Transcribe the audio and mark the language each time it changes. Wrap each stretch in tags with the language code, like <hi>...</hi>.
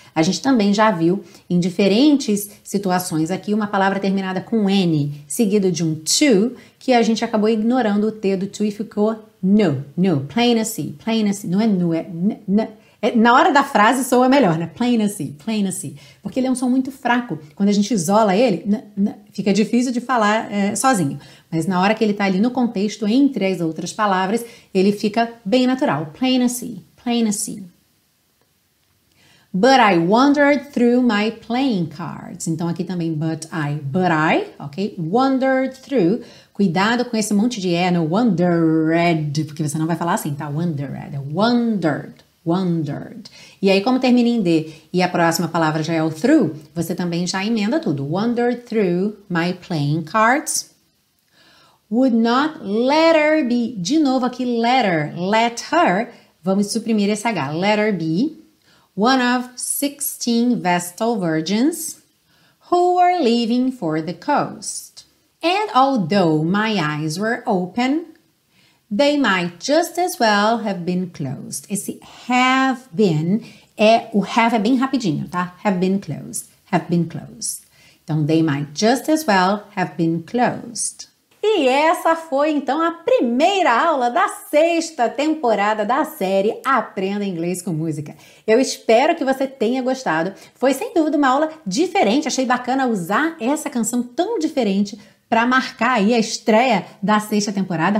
<pt>A gente também já viu em diferentes situações aqui uma palavra terminada com N, seguida de um to, que a gente acabou ignorando o T do to e ficou no, no,</pt> <en>plain as sea,</en> <pt>não é no, é n, na hora da frase soa melhor, né?</pt> <en>Plain as sea,</en> <pt>porque ele é um som muito fraco, quando a gente isola ele, fica difícil de falar sozinho. Mas na hora que ele está ali no contexto, entre as outras palavras, ele fica bem natural.</pt> <en>Plain as sea. Plain as sea. But I wandered through my playing cards.</en> <pt>Então, aqui também,</pt> <en>but I, ok? Wandered through.</en> <pt>Cuidado com esse monte de E no wandered, porque você não vai falar assim, tá? Wandered. Wandered. Wandered. E aí, como termina em D e a próxima palavra já é o through, você também já emenda tudo.</pt> <en>Wandered through my playing cards. Would not let her be,</en> <pt>de novo aqui,</pt> <en>let her,</en> <pt>vamos suprimir esse H,</pt> <en>let her be, one of 16 Vestal virgins who were leaving for the coast. And although my eyes were open, they might just as well have been closed.</en> <pt>Esse have been, é o have é bem rapidinho, tá?</pt> <en>Have been closed, have been closed.</en> <pt>Então,</pt> <en>they might just as well have been closed.</en> <pt>E essa foi, então, a primeira aula da sexta temporada da série Aprenda Inglês com Música. Eu espero que você tenha gostado. Foi, sem dúvida, uma aula diferente. Achei bacana usar essa canção tão diferente para marcar aí a estreia da sexta temporada.</pt>